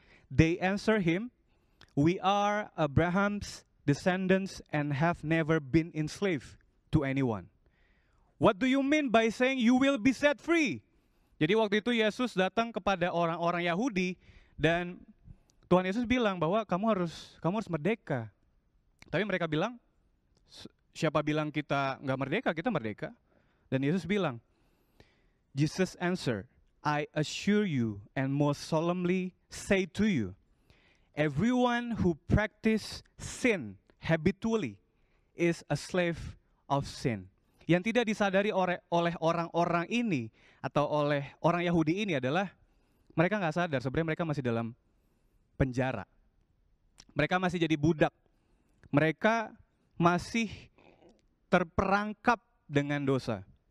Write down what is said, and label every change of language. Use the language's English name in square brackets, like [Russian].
[English] They answer him, "We are Abraham's descendants and have never been enslaved to anyone. What do you mean by saying you will be set free?" [Indonesian] Jadi waktu itu Yesus datang kepada orang-orang Yahudi dan Tuhan Yesus bilang bahwa kamu harus merdeka. Tapi mereka bilang, siapa bilang kita enggak merdeka? Kita merdeka. Dan Yesus bilang, [English] Jesus answered, "I assure you and most solemnly say to you, everyone who practices sin habitually is a slave of sin." [Indonesian] Yang tidak disadari oleh orang-orang ini atau oleh orang Yahudi ini adalah mereka enggak sadar sebenarnya mereka masih dalam penjara. Mereka masih jadi budak. Mereka masih terperangkap dengan dosa.